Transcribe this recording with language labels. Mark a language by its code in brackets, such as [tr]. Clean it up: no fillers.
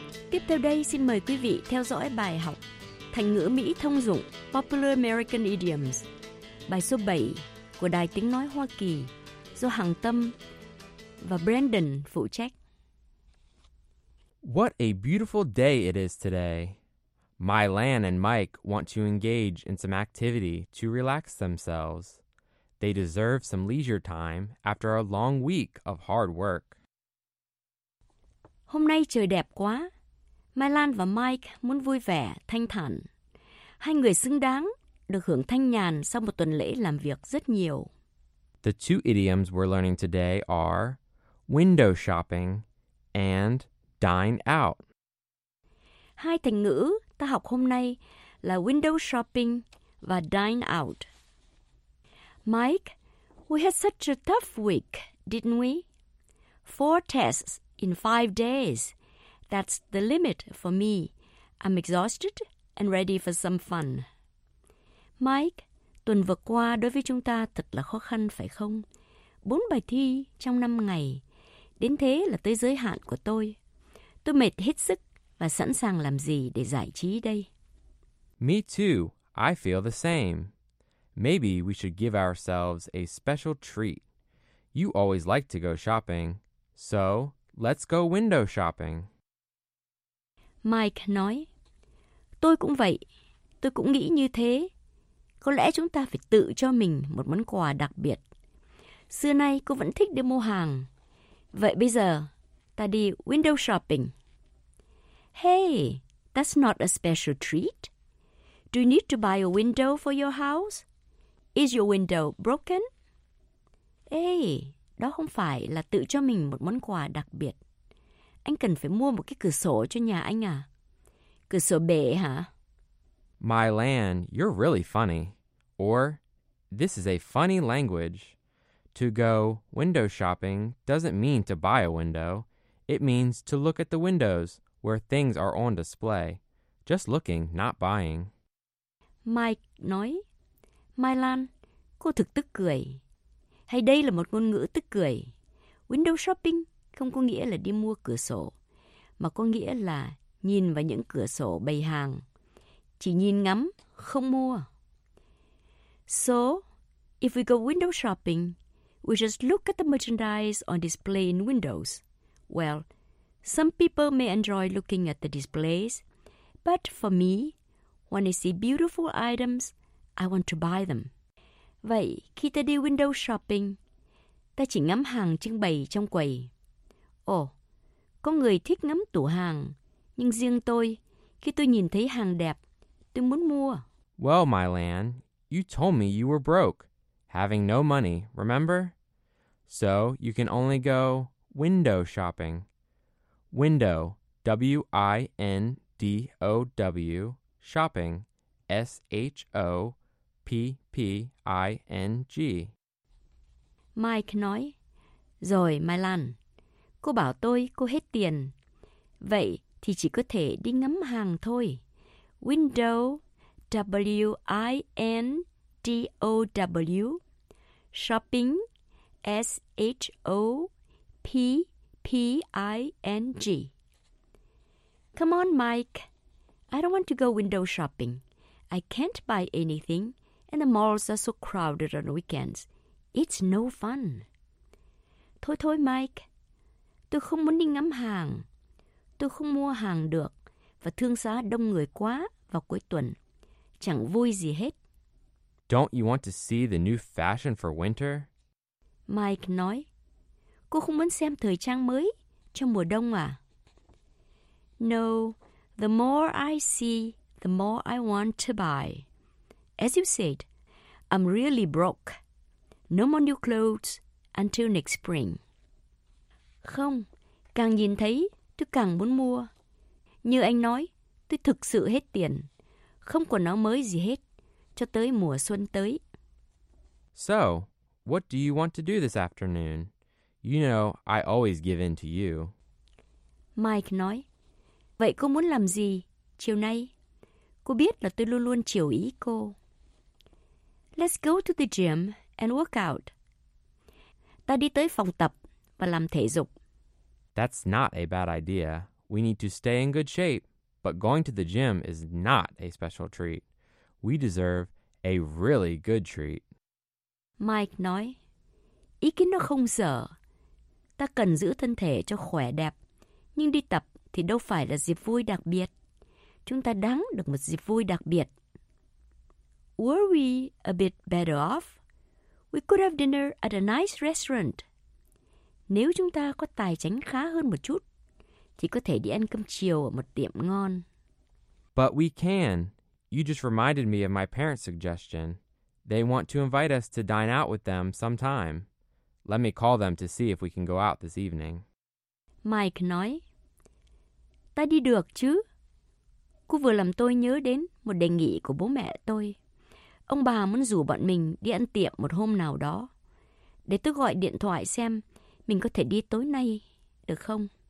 [vi] Tiếp theo đây xin mời quý vị theo dõi bài học thành ngữ Mỹ thông dụng Popular American Idioms, bài số 7 của Đài Tiếng Nói Hoa Kỳ do Hằng Tâm và Brandon phụ trách. [en] What a beautiful day it is today. Mylan and Mike want to engage in some activity to relax themselves. They deserve some leisure time after a long week of hard work. [vi] Hôm nay trời đẹp quá. Mylan và Mike muốn vui vẻ, thanh thản. Hai người xứng đáng được hưởng thanh nhàn sau một tuần lễ làm việc rất nhiều. [en] The two idioms we're learning today are window shopping and dine out. [vi] Hai thành ngữ ta học hôm nay là window shopping và dine out. [en] Mike, we had such a tough week, didn't we? 4 tests in 5 days. That's the limit for me. I'm exhausted and ready for some fun. [vi] Mike, tuần vừa qua đối với chúng ta thật là khó khăn phải không? 4 bài thi trong 5 ngày. Đến thế là tới giới hạn của tôi. Tôi mệt hết sức và sẵn sàng làm gì để giải trí đây? [en] Me too. I feel the same. Maybe we should give ourselves a special treat. You always like to go shopping. So, let's go window shopping. [vi] Mike nói, tôi cũng vậy. Tôi cũng nghĩ như thế. Có lẽ chúng ta phải tự cho mình một món quà đặc biệt. Xưa nay cô vẫn thích đi mua hàng. Vậy bây giờ, ta đi window shopping. [en] Hey, that's not a special treat. Do you need to buy a window for your house? Is your window broken? [vi] Hey, đó không phải là tự cho mình một món quà đặc biệt. Anh cần phải mua một cái cửa sổ cho nhà anh à? Cửa sổ bể hả? [en] Mylan, you're really funny. Or, this is a funny language. To go window shopping doesn't mean to buy a window. It means to look at the windows where things are on display. Just looking, not buying. [vi] Mike nói, Mylan, cô thực tức cười. Hay đây là một ngôn ngữ tức cười. Window shopping không có nghĩa là đi mua cửa sổ, mà có nghĩa là nhìn vào những cửa sổ bày hàng. Chỉ nhìn ngắm, không mua. [en] So, if we go window shopping, we just look at the merchandise on display in windows. Well, some people may enjoy looking at the displays, but for me, when I see beautiful items, I want to buy them. [vi] Vậy, khi ta đi window shopping, ta chỉ ngắm hàng trưng bày trong quầy. Ồ, có người thích ngắm tủ hàng, nhưng riêng tôi, khi tôi nhìn thấy hàng đẹp, tôi muốn mua. [en] Well, Mylan, you told me you were broke, having no money, remember? So, you can only go window shopping. Window, W-I-N-D-O-W, shopping, S-H-O-P-P-I-N-G. [vi] Mike nói, rồi Mylan. Cô bảo tôi cô hết tiền. Vậy thì chỉ có thể đi ngắm hàng thôi. [en] Window, W-I-N-D-O-W. Shopping, S-H-O-P-P-I-N-G. Come on, Mike. I don't want to go window shopping. I can't buy anything, and the malls are so crowded on weekends. It's no fun. [vi] Thôi thôi, [en] Mike. [vi] Tôi không muốn đi ngắm hàng. Tôi không mua hàng được và thương xá đông người quá vào cuối tuần. Chẳng vui gì hết. [en] Don't you want to see the new fashion for winter? [vi] Mike nói. Cô không muốn xem thời trang mới cho mùa đông à? [en] No, the more I see, the more I want to buy. As you said, I'm really broke. No more new clothes until next spring. [vi] Không, Càng nhìn thấy, tôi càng muốn mua. Như anh nói, tôi thực sự hết tiền. Không quần áo mới gì hết, cho tới mùa xuân tới. [en] So, what do you want to do this afternoon? You know, I always give in to you. [vi] Mike nói, vậy cô muốn làm gì chiều nay? Cô biết là tôi luôn luôn chiều ý cô. [en] Let's go to the gym and work out. [vi] Ta đi tới phòng tập và làm thể dục. [en] That's not a bad idea. We need to stay in good shape. But going to the gym is not a special treat. We deserve a really good treat. [vi] Mike nói, ý kiến nó không dở. Ta cần giữ thân thể cho khỏe đẹp. Nhưng đi tập thì đâu phải là dịp vui đặc biệt. Chúng ta đáng được một dịp vui đặc biệt. [en] Were we a bit better off? We could have dinner at a nice restaurant. [vi] Nếu chúng ta có tài chính khá hơn một chút, thì có thể đi ăn cơm chiều ở một tiệm ngon. [en] But we can. You just reminded me of my parents' suggestion. They want to invite us to dine out with them sometime. Let me call them to see if we can go out this evening. [vi] Mike nói, ta đi được chứ? Cô vừa làm tôi nhớ đến một đề nghị của bố mẹ tôi. Ông bà muốn rủ bọn mình đi ăn tiệm một hôm nào đó. Để tôi gọi điện thoại xem mình có thể đi tối nay, được không?